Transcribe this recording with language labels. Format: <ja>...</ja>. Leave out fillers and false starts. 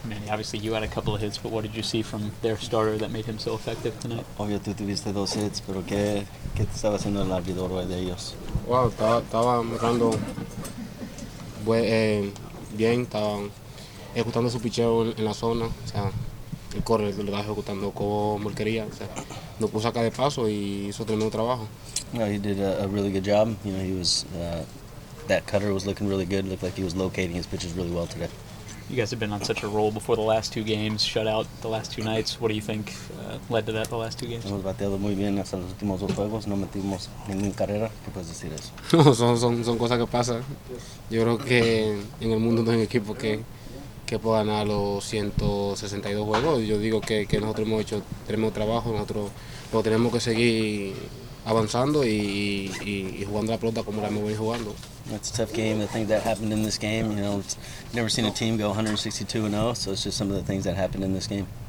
<en>obviously you had a couple of hits, but what did you see from their starter that made him so effective tonight?</en> <es>Obvio, tú tuviste dos hits, pero ¿qué estaba haciendo el abridor de ellos? Wow, estaba mirando bien, estaba ejecutando su picheo en la zona, o sea, el corre lo estaba ejecutando como mulquería, o sea, lo puso acá de paso y hizo tremendo trabajo.</es> <en>Yeah, he did a really good job. You know, he was that cutter was looking really good. Looked like he was locating his pitches really well today. You guys have been on such a roll before the last two games, shut out the last two nights. What do you think led to that the last two games?</en> <es>Hemos bateado muy bien hasta los últimos dos juegos. No metimos ninguna carrera. ¿Qué puedes decir eso? son cosas que pasan. Yo creo que en el mundo no hay un equipo que pueda ganar los 162 juegos. Yo digo que nosotros hemos hecho tremendo trabajo. Nosotros lo tenemos que seguir avanzando y jugando la pelota como la hemos venido jugando.</es> <en>It's a tough game. The thing that happened in this game, you know, it's never seen a team go 162-0, so it's just some of the things that happened in this game.</en>